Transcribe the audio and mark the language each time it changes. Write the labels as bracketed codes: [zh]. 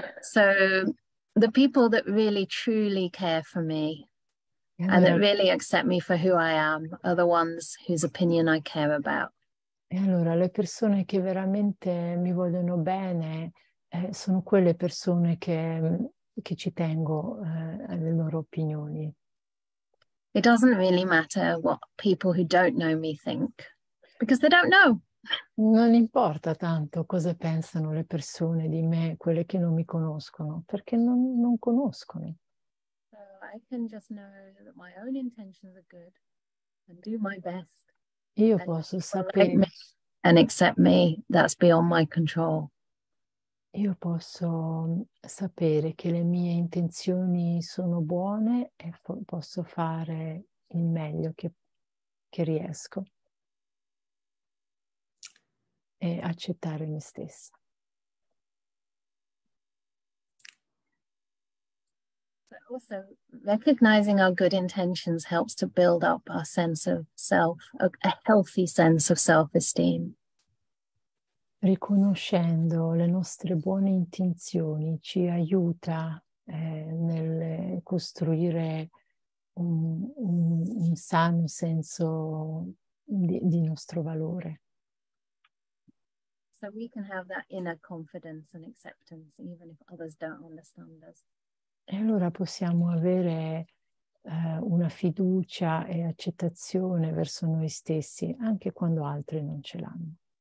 [en] So the people that really truly care for me and that really accept me for who I am are the ones whose opinion I care about. [it] E allora, le persone che veramente mi vogliono bene sono quelle persone che ci tengo alle loro opinioni. [en] It doesn't really matter what people who don't know me think, because they don't know. [it] Non importa tanto cosa pensano le persone di me, quelle che non mi conoscono, perché non conoscono. [en] So I can just know that my own intentions are good and do my best. [it] Io posso sapere like [en] me and accept me, that's beyond my control. [it] Io posso sapere che le mie intenzioni sono buone e posso fare il meglio che riesco e accettare me stessa. [en] Also, recognizing our good intentions helps to build up our sense of self, a healthy sense of self-esteem. [it] Riconoscendo le nostre buone intenzioni ci aiuta nel costruire un sano senso di nostro valore. [en] So we can have that inner confidence and acceptance even if others don't understand us. [it] E allora possiamo avere una fiducia e accettazione verso noi stessi, anche quando altri non ce l'hanno.